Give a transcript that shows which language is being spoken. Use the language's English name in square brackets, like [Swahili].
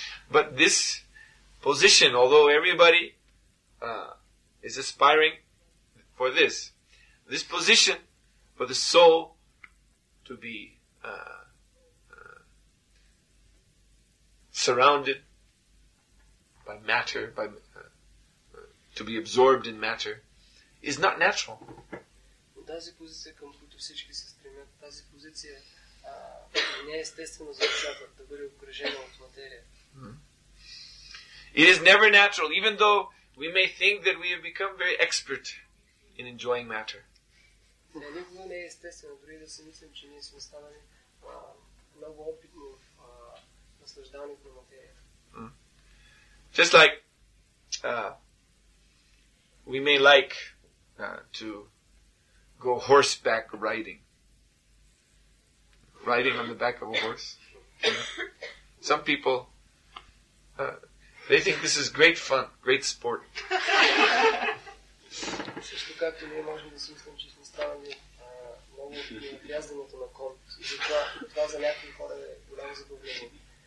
[English] But this position, although everybody is aspiring for this, this position for the soul to be surrounded by matter, to be absorbed in matter, is not natural. [Bulgarian] Тази позиция, към която всички се стремят, тази позиция не е естествена за душата, да бъде обкръжена от материя. [English] It is never natural, even though we may think that we have become very expert in enjoying matter. [Bulgarian] Не, никога не е естествено, дори да се мислим, че ние сме станали много опитни в наслаждането на материя. [English] Just like we may like to go horseback riding on the back of a horse. Some people they think this is great fun, great sport. [Bulgarian] Също както ние можем да си мислим, че сме станали много опитни в яздането на кон, това за някои хора е голямо задоволение.